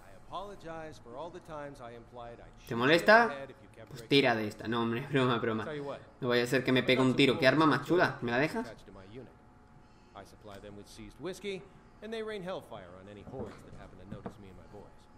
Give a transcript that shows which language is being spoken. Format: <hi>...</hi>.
<en>apologize for all the times I implied I'd</en> <es>¿Te molesta? Pues tira de esta. No, hombre, broma, broma. No vaya a ser que me pegue un tiro. ¿Qué arma más chula? ¿Me la dejas?</es> <en>I supply them with seized whiskey, and they rain hellfire on any hordes that happen to notice me and my boys.</en>